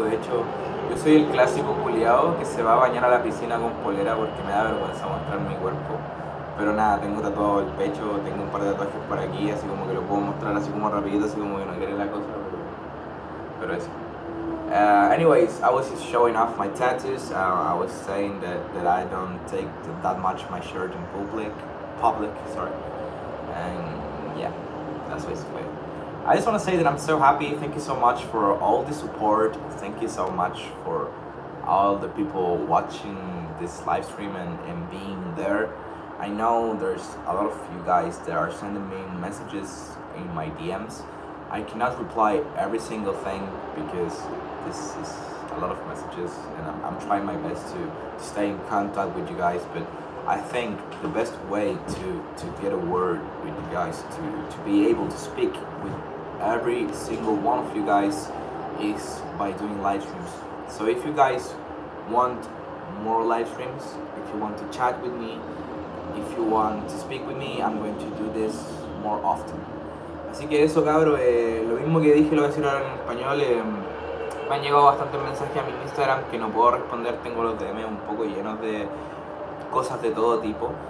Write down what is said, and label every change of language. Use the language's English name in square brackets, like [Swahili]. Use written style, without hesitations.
[Spanish] De hecho, yo soy el clásico culiado que se va a bañar a la piscina con polera porque me da vergüenza mostrar mi cuerpo. Pero nada, tengo tatuado el pecho, tengo un par de tatuajes por aquí, así como que lo puedo mostrar así como rapidito, así como que no quiere la cosa. Pero eso. [English] Anyways, I was just showing off my tattoos. I was saying that I don't take that much my shirt in public, sorry. And yeah, that's basically it. I just want to say that I'm so happy. Thank you so much for all the support. Thank you so much for all the people watching this live stream and being there. I know there's a lot of you guys that are sending me messages in my DMs. I cannot reply every single thing because this is a lot of messages and I'm trying my best to stay in contact with you guys, but I think the best way to get a word with you guys, to be able to speak with every single one of you guys is by doing live streams. So if you guys want more live streams, if you want to chat with me, if you want to speak with me, I'm going to do this more often. [Spanish] Así que eso, cabro, lo mismo que dije lo voy a decir ahora en español. Me han llegado bastantes mensajes a mi Instagram que no puedo responder, tengo los DM un poco llenos de cosas de todo tipo.